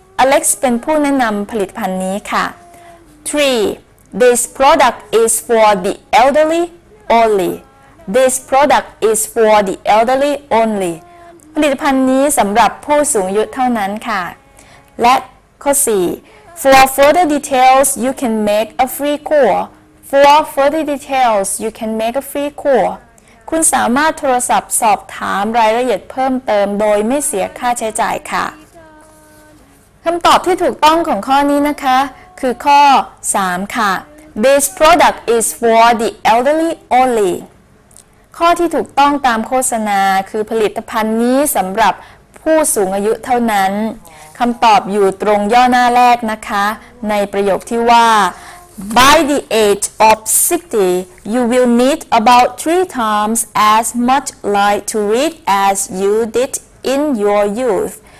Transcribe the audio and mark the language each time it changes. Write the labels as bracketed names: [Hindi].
[Thai] Alex เป็นผู้แนะนำผลิตภัณฑ์นี้ค่ะ.3. [English] This product is for the elderly only. This product is for the elderly only. [Thai] ผลิตภัณฑ์นี้สำหรับผู้สูงอายุเท่านั้นค่ะ. และข้อ 4. [English] For further details, you can make a free call. For further details, you can make a free call. [Thai] คุณสามารถโทรศัพท์สอบถามรายละเอียดเพิ่มเติมโดยไม่เสียค่าใช้จ่ายค่ะ คำตอบที่ถูกต้องของข้อนี้นะคะคือข้อ3ค่ะ [English] This product is for the elderly only [Thai] ข้อที่ถูกต้องตามโฆษณาคือผลิตภัณฑ์นี้สำหรับผู้สูงอายุเท่านั้นคำตอบอยู่ตรงย่อหน้าแรกนะคะในประโยคที่ว่า [English] By the age of 60, you will need about 3 times as much light to read as you did in your youth.